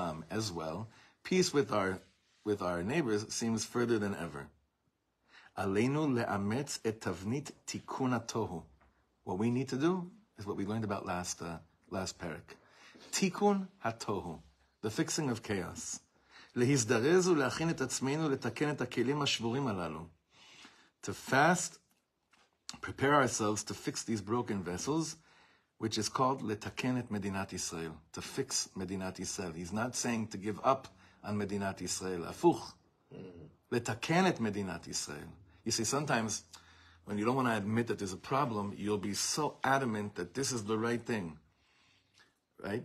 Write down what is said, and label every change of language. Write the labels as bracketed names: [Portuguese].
[English] As well, peace with our neighbors seems further than ever. [Hebrew] Aleinu le'ametz et tavnit tikkun ha'tohu. [English] What we need to do is what we learned about last perek. Tikkun ha'tohu, the fixing of chaos. [Hebrew] להזדרז ולהכין את עצמנו לתקן את הכלים השבורים הללו. [English] To fast, prepare ourselves to fix these broken vessels, which is called [Hebrew] לתקן את מדינת ישראל. [English] To fix מדינת ישראל. He's not saying to give up on מדינת ישראל. הפוך. [Hebrew] לתקן את מדינת ישראל. [English] You see, sometimes when you don't want to admit that there's a problem, you'll be so adamant that this is the right thing. Right?